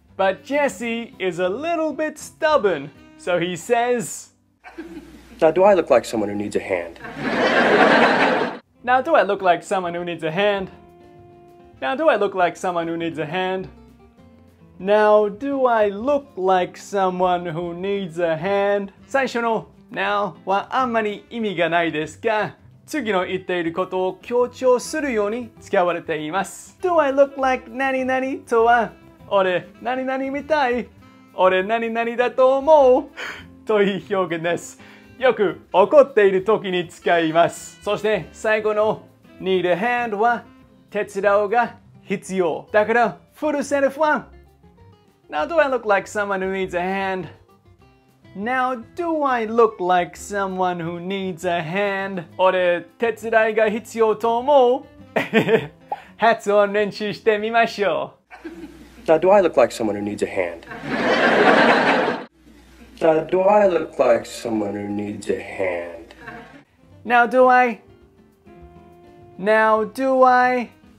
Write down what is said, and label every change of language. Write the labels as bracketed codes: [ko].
[en] But Jesse is a little bit stubborn, so he says, Now, do I look like someone who needs a hand? Now, do I look like someone who needs a hand? Now, do I look like someone who needs a hand? Now, do I look like someone who needs a hand? [ja] 最初の now はあんまり意味がないですが、次の言っていることを強調するように使われています。 [en] Do I look like [ja] 何々とは、俺何々みたい、俺何々だと思うという表現です。よく怒っている時に使います。そして最後の [en] need a hand [ja] は手伝うが必要。だからフルセルフは、 [en] Now do I look like someone who needs a hand? Now do I look like someone who needs a hand? [ja] 俺、手伝いが必要と思う。発音練習してみましょう。 [en] Now do I look like someone who needs a hand? Now do I look like someone who needs a hand? Now do I? Now do I?